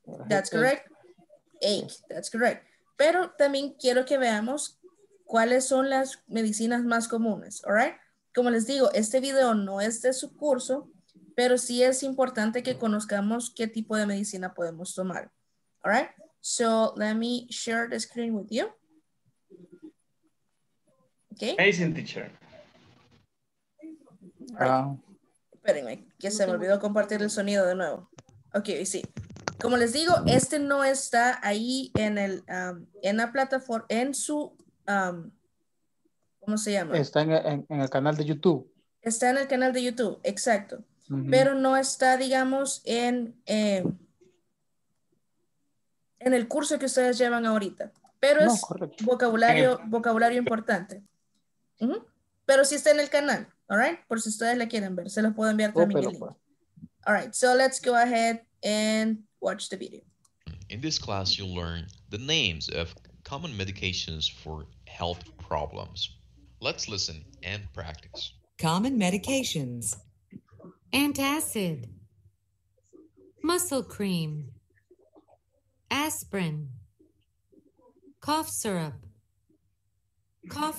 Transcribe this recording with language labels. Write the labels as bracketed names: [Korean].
[Spanish] Heartache, earache, [English] that's correct. [Spanish] Pero también quiero que veamos cuáles son las medicinas más comunes, all right? Como les digo, este video no es de su curso, pero sí es importante que conozcamos qué tipo de medicina podemos tomar, all right? [English] So let me share the screen with you. Okay. Amazing teacher. [Spanish] Espérenme, que se me olvidó compartir el sonido de nuevo. Ok, sí. Como les digo, este no está ahí en el en la plataforma, en su, ¿cómo se llama? Está en el canal de YouTube. Está en el canal de YouTube, exacto. Uh-huh. Pero no está, digamos, en el curso que ustedes llevan ahorita. Pero no, es correcto. vocabulario importante. Uh-huh. Pero sí está en el canal. All right, por si ustedes la quieren ver, se los puedo enviar también el link. [English] All right, so let's go ahead and watch the video. In this class, you'll learn the names of common medications for health problems. Let's listen and practice. Common medications. Antacid. Muscle cream. Aspirin. Cough syrup. Cough